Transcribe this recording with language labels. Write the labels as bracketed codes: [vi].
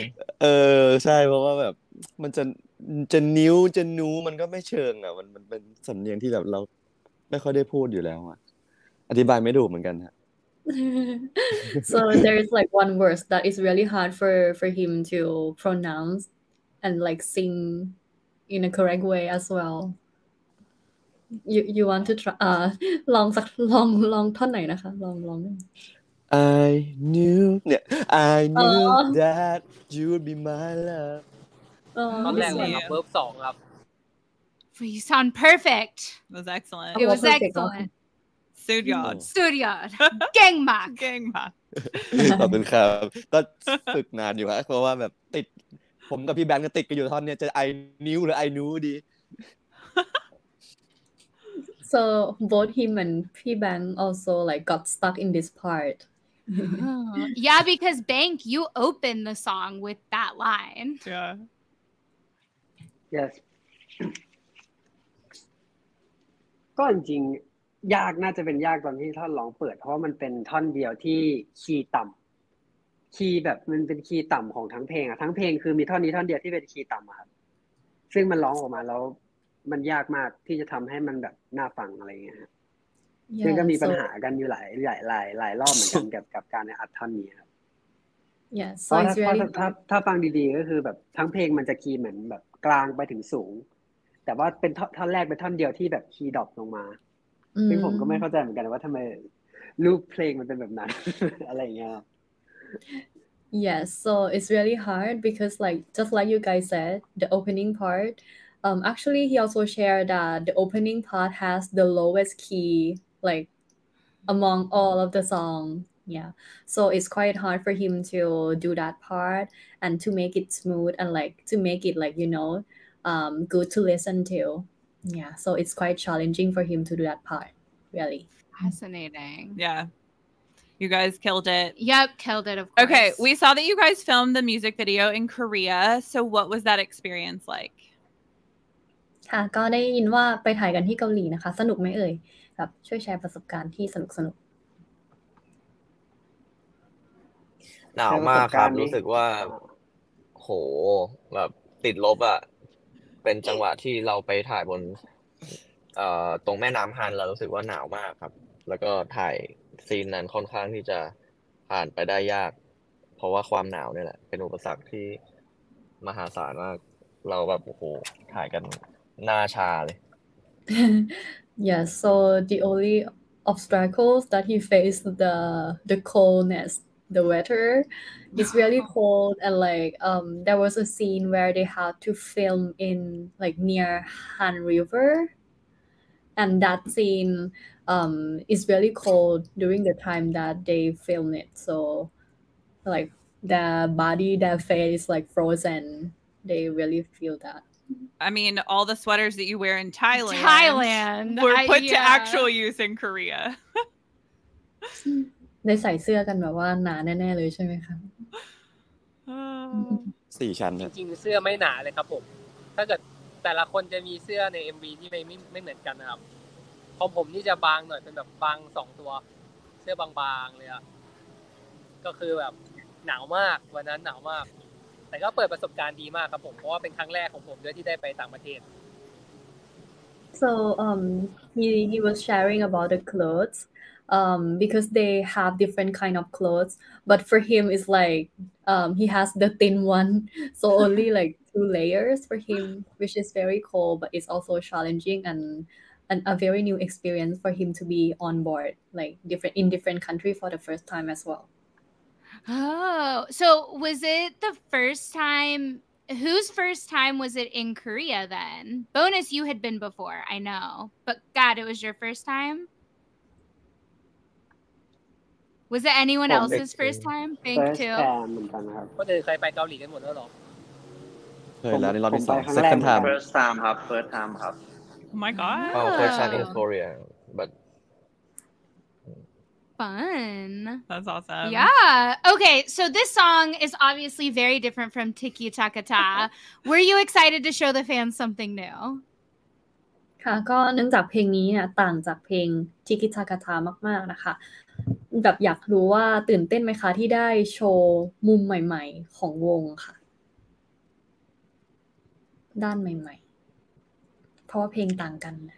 [th] ใช่เพราะว่าแบบมันจะนิ้วจะนูมันก็ไม่เชิงอ่ะมันเป็นสำเนียงที่แบบเราไม่ค่อยได้พูดอยู่แล้วอ่ะอธิบายไม่ถูกเหมือนกันฮะ [en] So there is like one verse that is really hard for him to pronounce and like sing in a correct way as well you want to try [th] ลองสักลองท่อนไหนนะคะลอง [en] I knew เนี่ย I knew that you would be my love [th] ตอนแรกเลยครับเวิร์บ2ครับ [en] You sound perfect. It was excellent. It was excellent. Studyard. Studyard. Gangmak. Gangmak. [th] ขอบคุณครับก็ฝึกนานอยู่ครับเพราะว่าแบบติดผมกับพี่แบงค์ก็ติดกันอยู่ท่อนเนี้ยจะ [en] I knew [th] หรือ I knew ดี [en] So both him and พี่แบงค์ also like got stuck in this part. Yeah, because Bank, you open the song with that line. Yeah. Yes. [th] ก็จริงยากน่าจะเป็นยากตอนที่ท่อนร้องเปิดเพราะมันเป็นท่อนเดียวที่คีย์ต่ําคีย์แบบมันเป็นคีย์ต่ําของทั้งเพลงอ่ะทั้งเพลงคือมีท่อนนี้ท่อนเดียวที่เป็นคีย์ต่ําครับซึ่งมันร้องออกมาแล้วมันยากมากที่จะทําให้มันแบบน่าฟังอะไรเงี้ยฮะซึ่งก็มีปัญหากันอยู่หลายรอบเหมือนกันกับการอัดท่อนนี้ครับ [en] Yeah so really [th] ถ้าฟังดีๆก็คือแบบทั้งเพลงมันจะคีย์เหมือนแบบกลางไปถึงสูงแต่ว่าเป็นท่อนแรกเป็นท่อนเดียวที่แบบคีย์ดรอปลงมาซึ่งผมก็ไม่เข้าใจเหมือนกันว่าทำไมลูปเพลงมันเป็นแบบนั้นอะไรเงี้ย [en] Yes so it's really hard because like just like you guys said the opening part actually he also shared that the opening part has the lowest key like among all of the song yeah so it's quite hard for him to do that part and to make it smooth and like to make it like you know good to listen to Yeah, so it's quite challenging for him to do that part, really. Fascinating. Yeah. You guys killed it. Yep, killed it, of course. Okay, we saw that you guys filmed the music video in Korea. So what was that experience like? [th] ค่ะก็ได้ยินว่าไปถ่ายกันที่เกาหลีนะคะสนุกไหมเอ่ยแบบช่วยแชร์ประสบการณ์ที่สนุกสนุก หนาวมากครับรู้สึกว่าโหแบบติดลบอ่ะเป็นจังหวะที่เราไปถ่ายบนตรงแม่น้ำฮันเรารู้สึกว่าหนาวมากครับแล้วก็ถ่ายซีนนั้นค่อนข้างที่จะผ่านไปได้ยากเพราะว่าความหนาวนี่แหละเป็นอุปสรรคที่มหาศาลมากเราแบบโอ้โหถ่ายกันหน้าชาเลย [en] Yeah, so the only obstacles that he faced the coldness the weather is really cold and like there was a scene where they had to film in like near Han River and that scene is really cold during the time that they filmed it so like their body their face is like frozen they really feel that I mean all the sweaters that you wear in Thailand were put to actual use in Korea [th] ได้ใส่เสื้อกันแบบว่าหนาแน่ๆเลยใช่ไหมครับ สี่ชั้น จริงๆเสื้อไม่หนาเลยครับผมถ้าเกิดแต่ละคนจะมีเสื้อใน MV ที่ไม่เหมือนกันนะครับของผมนี่จะบางหน่อยเป็นแบบบางสองตัวเสื้อบางๆเลยอ่ะก็คือแบบหนาวมากวันนั้นหนาวมากแต่ก็เปิดประสบการณ์ดีมากครับผมเพราะว่าเป็นครั้งแรกของผมด้วยที่ได้ไปต่างประเทศ [en] so he was sharing about the clothesbecause they have different kind of clothes but for him it's like he has the thin one so only like two layers for him which is very cool but it's also challenging and a very new experience for him to be on board like different in different country for the first time as well oh so was it the first time whose first time was it in Korea then bonus you had been before I know but god it was your first timeWas it anyone else's first time? Thank you. First time, [th] เหมือนกันนะ ครับก็คือเคยไปเกาหลีกันหมดแล้วหรอเคยแล้วนี่รอบที่ [en] 2 second time first time ครับ Oh my god. Oh, first time in Korea. But fun. That's awesome. Yeah. Okay, so this song is obviously very different from Tiki Taka Ta. Were you excited to show the fans something new? [th] ค่ะก็เนื่องจากเพลงนี้เนี่ยต่างจากเพลงทิกิทากาทามากๆนะคะแบบอยากรู้ว่าตื่นเต้นไหมคะที่ได้โชว์มุมใหม่ๆของวงค่ะด้านใหม่ๆเพราะว่าเพลงต่างกัน